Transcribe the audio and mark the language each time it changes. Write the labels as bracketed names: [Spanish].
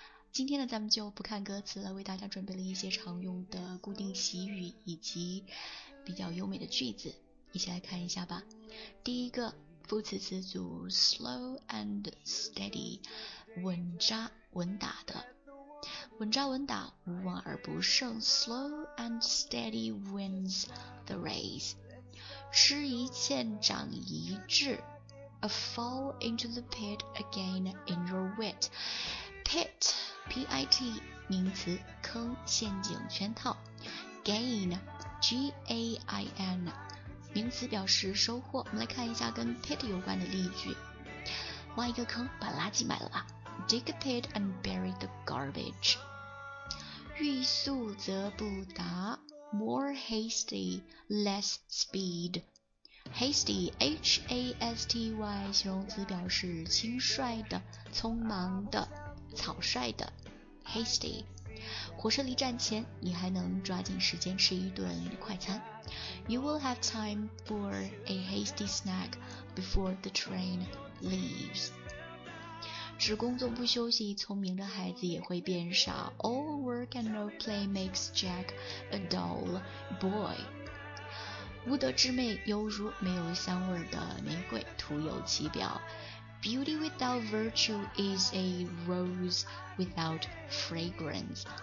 [Chinese] 今天呢，咱们就不看歌词了，为大家准备了一些常用的固定习语以及比较优美的句子，一起来看一下吧。第一个副词词组 [English] slow and steady， [Chinese] 稳扎稳打的，稳扎稳打，无往而不胜。 [English] slow and steady wins the race， [Chinese] 吃一堑长一智。 [English] a fall into the pit again in your wit， pit P-I-T [Chinese] 名词，坑、陷阱、圈套。 gain G-A-I-N名词，表示收获。我们来看一下跟 pit 有关的例句。挖一个坑把垃圾埋了吧。 [English] dig a pit and bury the garbage. [Chinese] 欲速则不达 [English] more hasty, less speed. [Chinese] Hasty, H-A-S-T-Y, 形容词表示轻率的、匆忙的、草率的。 Hasty, 火车离站前你还能抓紧时间吃一顿快餐。 [English] You will have time for a hasty snack before the train leaves. [Chinese] 只工作不休息，聪明的孩子也会变傻。 [English] All work and no play makes Jack a dull boy. [Chinese] 无德之妹犹如没有香味的玫瑰，徒有其表。 [English] Beauty without virtue is a rose without fragrance.